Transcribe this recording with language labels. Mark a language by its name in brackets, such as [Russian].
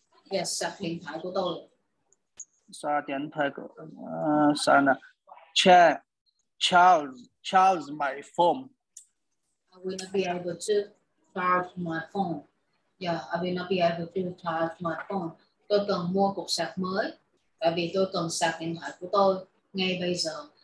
[Vietnamese] Yes, sạc điện thoại của tôi. Sạc điện thoại của sạc là [English] charge my phone. I will not be able to charge my phone. Yeah, I will not be able to charge my phone. [Vietnamese] Tôi cần mua cục sạc mới. Tại vì tôi cần sạc điện thoại của tôi ngay bây giờ.